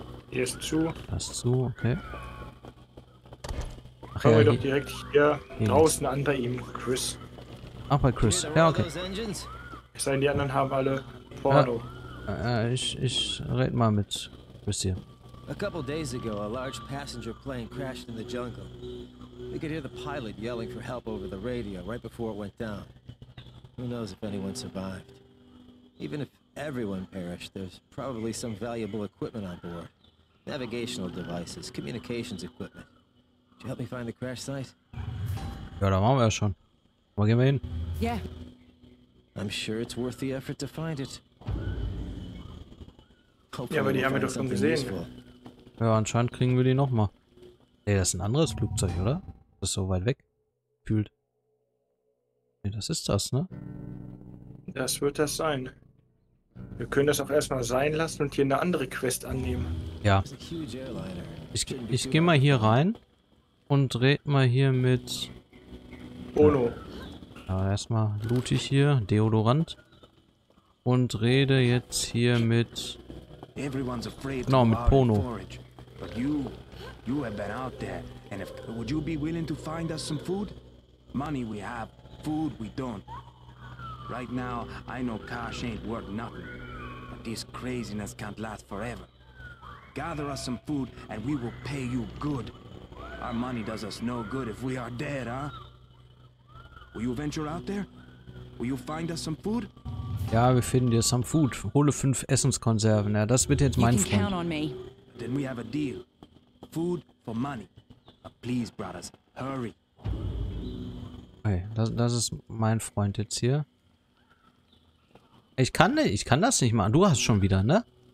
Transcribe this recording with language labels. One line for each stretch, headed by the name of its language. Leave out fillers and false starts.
German: Hier ist zu. Das ist zu, okay. Ach, kommen ja, wir doch direkt hier draußen an bei ihm, Chris. Ach, bei Chris. Ja, okay. Es sei denn, die anderen haben alle Porno. Ich red mal mit Chris hier.
English: A couple days ago, a large passenger plane crashed in the jungle. We could hear the pilot yelling for help over the radio right before it went down. Who knows if anyone survived? Even if everyone perished, there's probably some valuable equipment on board. Navigational devices, communications equipment. Could you help me find the crash site?
German: Ja, da waren wir ja schon. Mal gehen wir hin.
English: Yeah. I'm sure it's worth the effort to find it.
German: Hopefully ja, aber die haben wir doch schon gesehen.
English: Useful.
German: Ja, anscheinend kriegen wir die nochmal. Ey, das ist ein anderes Flugzeug, oder? Das ist so weit weg. Fühlt. Ne, das ist das, ne? Das wird das sein. Wir können das auch erstmal sein lassen und hier eine andere Quest annehmen. Ja. Ich gehe mal hier rein und red mal hier mit Bono. Ja, erstmal loot ich hier Deodorant und rede jetzt hier mit mit Bono.
English: But you have been out there, and if would you be willing to find us some food? Money we have, food we don't. Right now, I know cash ain't worth nothing, but this craziness can't last forever. Gather us some food, and we will pay you good. Our money does us no good if we are dead, huh? Will you venture out there? Will you find us some food?
German: Ja, wir finden dir
English: some food.
German: Hole 5 Essenskonserven. Ja, das wird jetzt mein Freund.
English: You can count on me. Then we have a deal. Food for money. Please, brothers, hurry.
German: Okay, das ist mein Freund jetzt hier. Ich kann das nicht machen. Du hast schon wieder, ne?